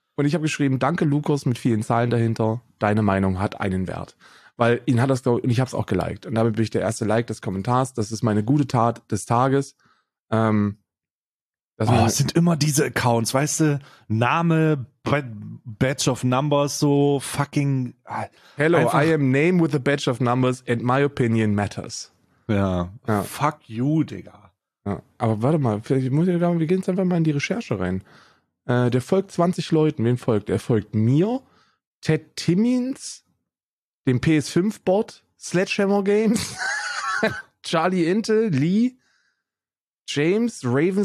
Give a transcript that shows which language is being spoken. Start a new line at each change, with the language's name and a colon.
German: Und ich habe geschrieben, danke Lukas, mit vielen Zahlen dahinter, deine Meinung hat einen Wert. Weil ihn hat das, glaube ich, und ich habe es auch geliked. Und damit bin ich der erste Like des Kommentars. Das ist meine gute Tat des Tages. Es sind immer diese Accounts, weißt du?
English: Name, Badge of Numbers, so fucking... Hello, I am name with a badge of numbers and my opinion matters.
German: Ja.
English: Fuck you,
German: Digga. Ja. Aber warte mal, vielleicht muss ich sagen, wir gehen jetzt einfach mal in die Recherche rein. Der folgt 20 Leuten. Wen folgt? Er folgt mir, Ted Timmins, dem PS5-Bot, Sledgehammer Games, Charlie Intel, Lee, James, Raven